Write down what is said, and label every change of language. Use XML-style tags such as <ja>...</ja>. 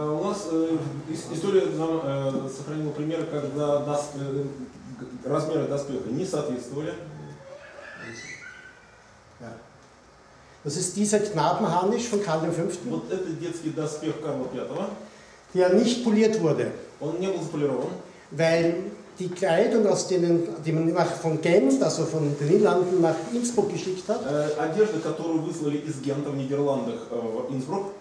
<ru>У нас история нам сохранила пример, когда размеры доспеха не соответствовали.</ru> <de>Das ist dieser Knabenharnisch von Karl V.</de> <ru>Вот это детский доспех Карла V.</ru> <de>Der nicht poliert wurde.</de> <ru>Он не был заполирован.</ru> <de>Weil die Kleidung, aus denen, die man nach, von Gent, also von den Niederlanden nach Innsbruck geschickt hat.</de> <ru>Одежда, которую выслали из Гента в Нидерландах в Innsbruck.</ru>